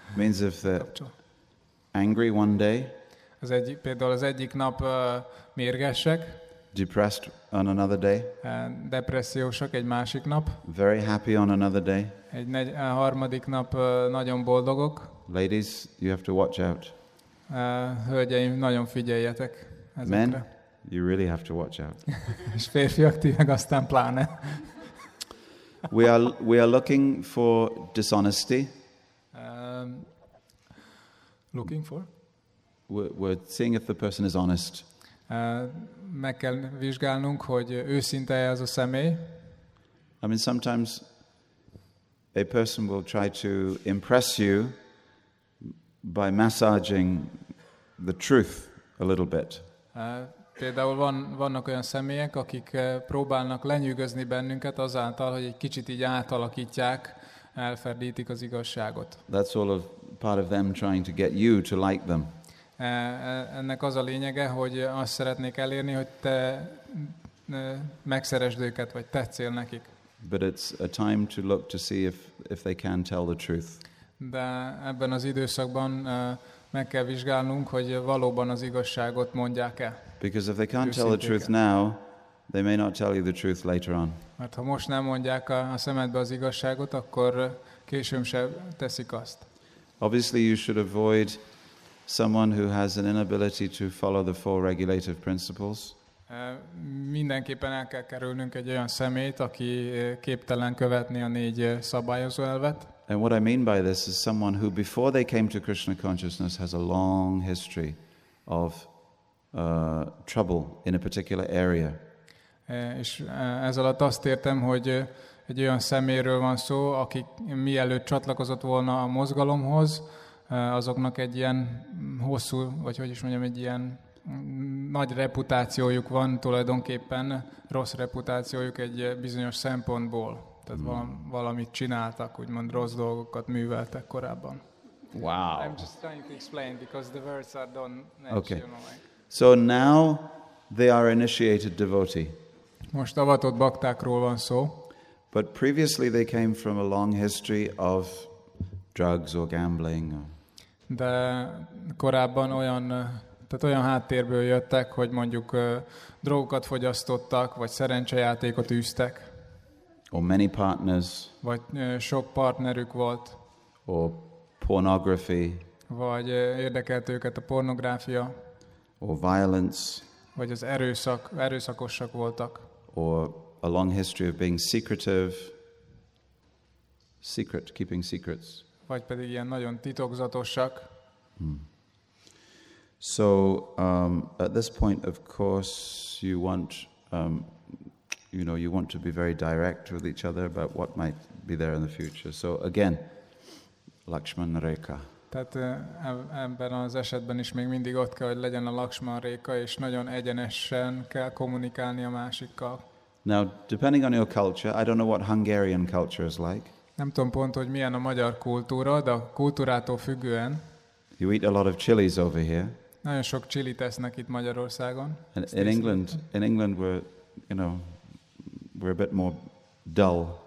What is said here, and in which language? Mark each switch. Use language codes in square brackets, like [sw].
[en] Means if they're angry one day. [hu] Például az egyik nap mérgesek. [en] Depressed on another day. [hu] Depressziósak egy másik nap. [en] Very happy on another day. [hu] Egy harmadik nap nagyon boldogok. [en] Ladies, you have to watch out. [hu] Hölgyeim, nagyon figyeljetek ezekre. [en] Men, you really have to watch out. [hu] És férfiak, ti meg aztán pláne. [en] We are looking for dishonesty. Looking for? We're seeing if the person is honest. [hu] Meg kell vizsgálnunk, hogy őszinte az a személy. [en] I mean, sometimes a person will try to impress you by massaging the truth a little bit. [hu] Például vannak olyan személyek, akik próbálnak lenyűgözni bennünket azáltal, hogy egy kicsit így átalakítják, elferdítik az igazságot. [en] That's all of part of them trying to get you to like them. [hu] Ennek az a lényege, hogy azt szeretnék elérni, hogy te megszeresd őket, vagy tetszél nekik. [en] But it's a time to look to see if they can tell the truth. [hu] De ebben az időszakban meg kell vizsgálnunk, hogy valóban az igazságot mondják-e. [en] Because if they can't tell the truth now, they may not tell you the truth later on. [hu] Mert ha most nem mondják a szemedbe az igazságot, akkor később sem teszik azt. [en] Obviously, you should avoid someone who has an inability to follow the four regulative principles. [hu] Mindenképpen el kell kerülnünk egy olyan szemét, aki képtelen követni a négy szabályozó elvet. [en] And what I mean by this is someone who, before they came to Krishna consciousness, has a long history of trouble in a particular area. [hu] És ez alatt azt értem, hogy egy olyan szeméről van szó, aki mielőtt csatlakozott volna a mozgalomhoz, azoknak egy ilyen hosszú, vagy hogy is mondjam, egy ilyen nagy reputációjuk van tulajdonképpen, rossz reputációjuk egy bizonyos szempontból. Tehát valamit csináltak, úgymond rossz dolgokat műveltek korábban. [en] Wow. I'm just trying to explain because the words are done. Okay. So now they are initiated devotee. [hu] Most avatott baktákról van szó. [en] But previously they came from a long history of drugs or gambling. [hu] De korábban olyan háttérből jöttek, hogy mondjuk drogokat fogyasztottak, vagy szerencsejátékot űztek. [en] Or many partners. [hu] Vagy sok partnerük volt. [en] Or pornography. [hu] Vagy érdekelt őket a pornográfia. [en] Or violence. [hu] Vagy az erőszak, erőszakosak voltak. [en] Or a long history of being secretive. Secret, keeping secrets. [hu] Vagy pedig ilyen nagyon titokzatosak. [en] So at this point, of course, you want you know, you want to be very direct with each other about what might be there in the future. So again, Lakshman Rekha. [hu] Tehát ebben az esetben is még mindig ott kell, hogy legyen a Lakshman Rekha, és nagyon egyenesen kell kommunikálni a másikkal. [en] Now, depending on your culture, I don't know what Hungarian culture is like. [hu] Nem tudom pont, hogy milyen a magyar kultúra, de a kultúrától függően. [en] You eat a lot of chilies over here. [hu] Nagyon sok chilit esznek itt Magyarországon. [en] And in England we're, you know, we're a bit more dull.